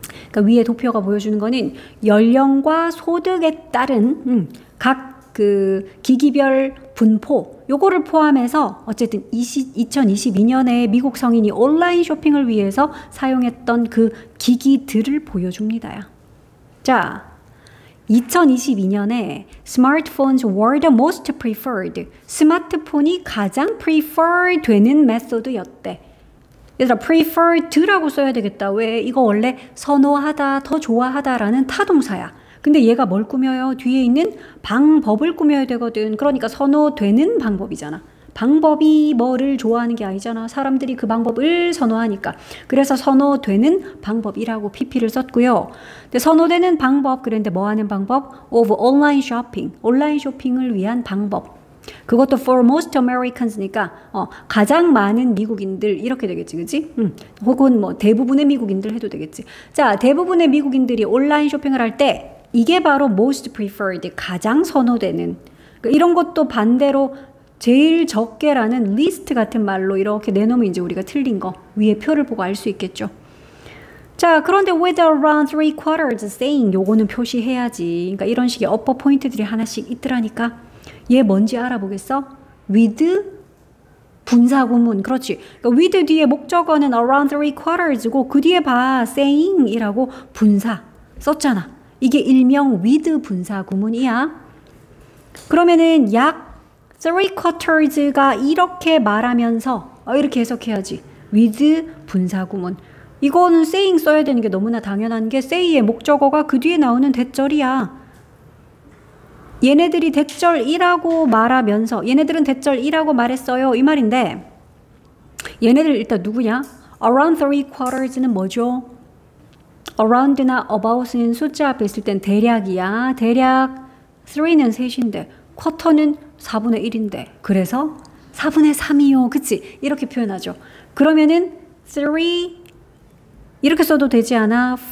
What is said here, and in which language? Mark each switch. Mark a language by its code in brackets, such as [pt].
[ko] 그러니까 위에 도표가 보여주는 거는 연령과 소득에 따른 각 그 기기별 분포 요거를 포함해서 어쨌든 2022년에 미국 성인이 온라인 쇼핑을 위해서 사용했던 그 기기들을 보여줍니다야. 자, 2022년에 [en] smartphones were the most preferred. [ko] 스마트폰이 가장 preferred 되는 메소드였대. 얘들아, preferred라고 써야 되겠다. 왜? 이거 원래 선호하다, 더 좋아하다라는 타동사야. 근데 얘가 뭘 꾸며요? 뒤에 있는 방법을 꾸며야 되거든. 그러니까 선호되는 방법이잖아. 방법이 뭐를 좋아하는 게 아니잖아. 사람들이 그 방법을 선호하니까. 그래서 선호되는 방법이라고 PP를 썼고요. 근데 선호되는 방법, 그런데 뭐 하는 방법? [en] Of online shopping. [ko] 온라인 쇼핑을 위한 방법. 그것도 [en] for most Americans [ko] 니까 가장 많은 미국인들 이렇게 되겠지, 그치? 혹은 뭐 대부분의 미국인들 해도 되겠지. 자, 대부분의 미국인들이 온라인 쇼핑을 할 때 이게 바로 [en] most preferred, [ko] 가장 선호되는. 그러니까 이런 것도 반대로 제일 적게라는 리스트 같은 말로 이렇게 내놓으면 이제 우리가 틀린 거 위에 표를 보고 알 수 있겠죠. 자, 그런데 [en] with around three quarters saying [ko] 요거는 표시해야지. 그러니까 이런 식의 upper 포인트들이 하나씩 있더라니까. 얘 뭔지 알아보겠어? with 분사 구문. 그렇지. 그러니까 with 뒤에 목적어는 [en] around three quarters [ko] 고 그 뒤에 봐 saying 이라고 분사 썼잖아. 이게 일명 with 분사 구문이야. 그러면은 약 three quarters가 이렇게 말하면서 이렇게 해석해야지. with 분사구문. 이거는 saying 써야 되는 게 너무나 당연한 게 say의 목적어가 그 뒤에 나오는 대절이야. 얘네들이 대절이라고 말하면서 얘네들은 대절이라고 말했어요. 이 말인데 얘네들 일단 누구냐? [en] Around three quarters는 [ko] 뭐죠? Around나 about은 숫자 앞에 있을 땐 대략이야. 대략 three는 셋인데 quarter는 4분의 1인데 그래서 4분의 3이요. 그치? 이렇게 표현하죠. 그러면은 three 이렇게 써도 되지 않아?